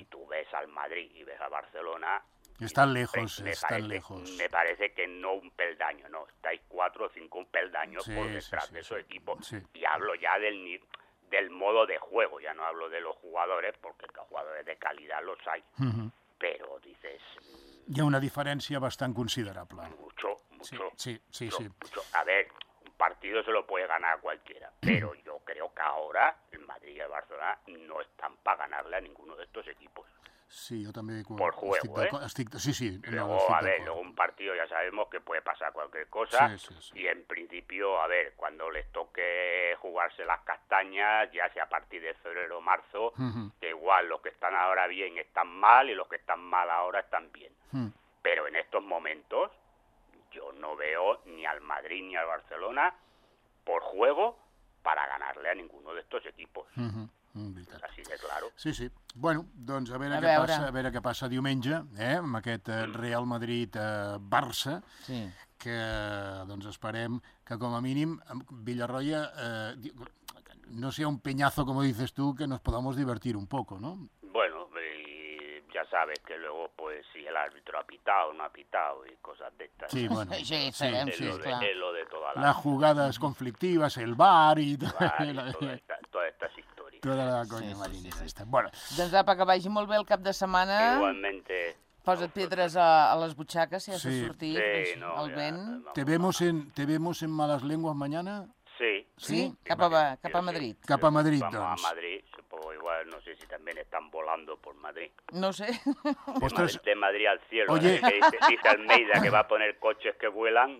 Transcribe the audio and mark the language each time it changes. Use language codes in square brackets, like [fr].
[es] Y tú ves al Madrid y ves a Barcelona. Están lejos, lejos. Me parece que no un peldaño, no. Estáis 4 o 5 peldaños por detrás de esos equipos. Sí. Y hablo ya del modo de juego. Ya no hablo de los jugadores, porque los jugadores de calidad los hay. Uh-huh. Pero dices... [ca] Hi ha una diferència bastant considerable. [es] Mucho, mucho. Sí. Mucho. A ver... partido se lo puede ganar a cualquiera, pero yo creo que ahora el Madrid y el Barcelona no están para ganarle a ninguno de estos equipos. Sí, yo también. Por juego, ¿eh? Luego un partido ya sabemos que puede pasar cualquier cosa. Sí. Y en principio, a ver, cuando les toque jugarse las castañas, ya sea a partir de febrero o marzo, que igual los que están ahora bien están mal y los que están mal ahora están bien. Pero en estos momentos... yo no veo ni al Madrid ni al Barcelona por juego para ganarle a ninguno de estos equipos. [ca] Veritat. [es] Así de claro. Sí, sí. [ca] Bueno, doncs a veure què passa diumenge, amb aquest Real Madrid-Barça, que doncs esperem que com a mínim Villarroya... [es] no sea un peñazo, como dices tú, que nos podamos divertir un poco, ¿no? Bueno, ya sabes que luego... si el árbitro ha pitado o no ha pitado y cosas de estas. Sí, bueno. Sí, claro. Las jugadas conflictivas, el VAR y... todas estas historias. Toda la coña marina. Bueno. [ca] Doncs apa, que vagi molt bé el cap de setmana. [es] Igualmente. [ca] Posa't pedres a les butxaques si has de sortir. [es] Sí, no. [ca] El vent. [es] Te vemos en malas lenguas mañana? Sí. [ca] Sí? Cap a Madrid. Cap a Madrid, doncs. [es] Vamos a Madrid. Igual no sé si también están volando por Madrid. No sé. De Madrid al cielo. Oye. Dice Almeida que va a poner coches que vuelan.